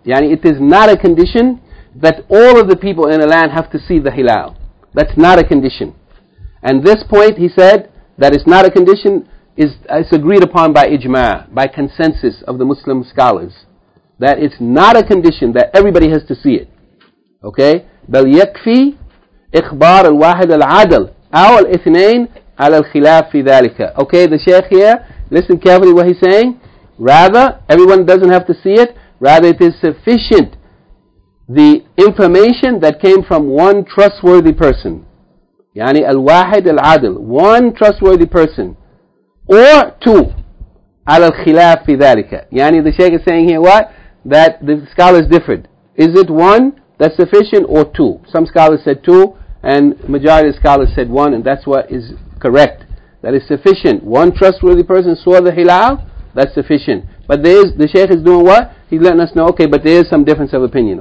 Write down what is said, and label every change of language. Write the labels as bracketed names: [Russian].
[English] يعني it is not a condition that all of the people in the land have to see the hilal. That's not a condition. And this point, he said, that it's not a condition, is agreed upon by ijma, by consensus of the Muslim scholars, that it's not a condition that everybody has to see it. Okay? [Arabic] بل يكفي إخبار الواحد العدل أو الاثنين على الخلاف في ذلك. [English] Okay, the Shaykh here, listen carefully what he's saying. Rather, everyone doesn't have to see it. Rather, it is sufficient the information that came from one trustworthy person. [Arabic] يعني الواحد العدل, [English] one trustworthy person, or two, [Arabic] على الخلاف في ذلك. [English] يعني the Shaykh is saying here what? That the scholars differed. Is it one that's sufficient or two? Some scholars said two, and majority of scholars said one, and that's what is correct. That is sufficient. One trustworthy person saw the hilal, that's sufficient. But there is, the Shaykh is doing what? He's letting us know, okay, but there is some difference of opinion.